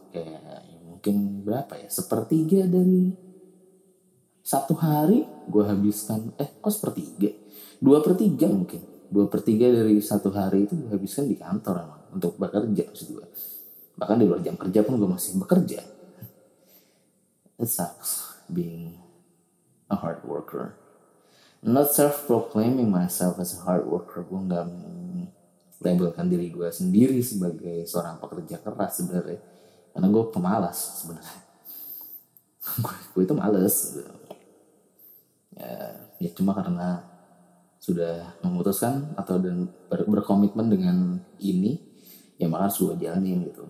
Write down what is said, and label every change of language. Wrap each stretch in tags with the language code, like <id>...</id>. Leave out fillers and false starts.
<id>Kayak ya mungkin berapa ya, sepertiga dari satu hari gue habiskan, dua per tiga dari satu hari itu gue habiskan di kantor emang, untuk bekerja maksud gue. Bahkan di luar jam kerja pun gue masih bekerja.</id> <en>It sucks being a hard worker. Not self-proclaiming myself as a hard worker.</en> <id>Gue gak labelkan diri gue sendiri sebagai seorang pekerja keras sebenarnya, karena gue pemalas sebenarnya. Gue itu malas. Ya cuma karena sudah memutuskan atau dan berkomitmen dengan ini, ya maka harus gue jalanin gitu.</id>